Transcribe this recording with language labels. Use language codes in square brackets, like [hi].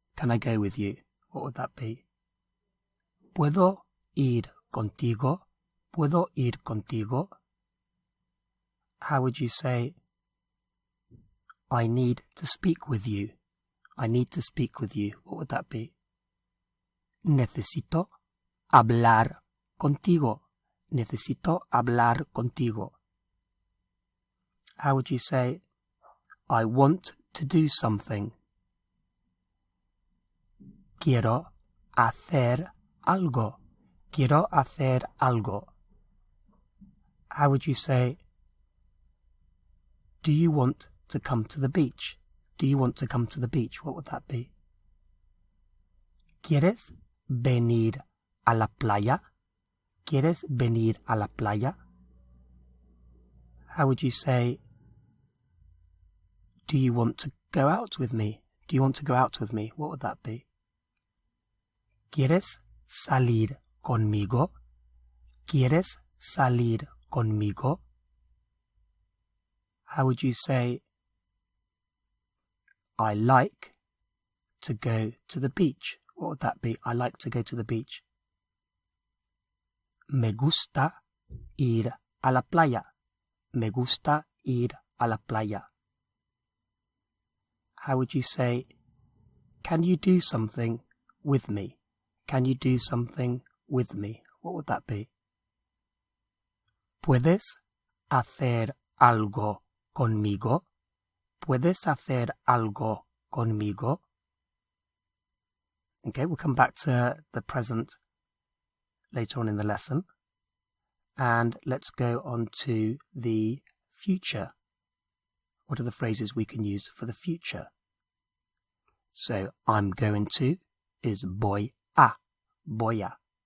[en] Can I go with you? What would that be? [es] ¿Puedo ir contigo? ¿Puedo ir contigo? [en] How would you say, I need to speak with you? I need to speak with you. What would that be? [es] Necesito hablar contigo. Necesito hablar contigo. [en] How would you say, I want to do something? [es] Quiero hacer algo. Quiero hacer algo. [en] How would you say, do you want to come to the beach? Do you want to come to the beach? What would that be? [es] ¿Quieres venir a la playa? ¿Quieres venir a la playa? [en] How would you say, do you want to go out with me? Do you want to go out with me? What would that be? [es] ¿Quieres salir conmigo? ¿Quieres salir conmigo? [en] How would you say, I like to go to the beach? What would that be? I like to go to the beach. [es] Me gusta ir a la playa. Me gusta ir a la playa. [en] How would you say, can you do something with me? Can you do something with me? What would that be? [es] ¿Puedes hacer algo conmigo? ¿Puedes hacer algo conmigo? [en] Okay, we'll come back to the present later on in the lesson. And let's go on to the future. What are the phrases we can use for the future? So, I'm going to is [es] voy a, voy a.